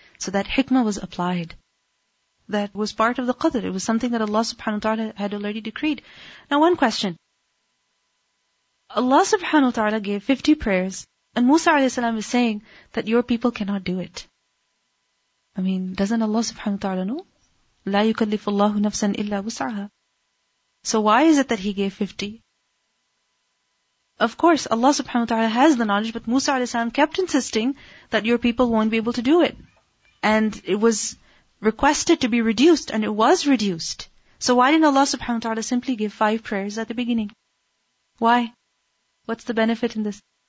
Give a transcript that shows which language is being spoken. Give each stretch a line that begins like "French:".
English: So that hikmah was applied. That was part of the qadr. It was something that Allah subhanahu wa ta'ala had already decreed. Now one question. Allah subhanahu wa ta'ala gave 50 prayers, and Musa a.s. is saying that your people cannot do it. I mean, doesn't Allah subhanahu wa ta'ala know?
Arabic: لا يكلف الله نفسا إلا وسعها.
English: So why is it that he gave 50? Of course, Allah subhanahu wa ta'ala has the knowledge, but Musa alayhi salam kept insisting that your people won't be able to do it. And it was requested to be reduced, and it was reduced. So why didn't Allah subhanahu wa ta'ala simply give 5 prayers at the beginning? Why? What's the benefit in this?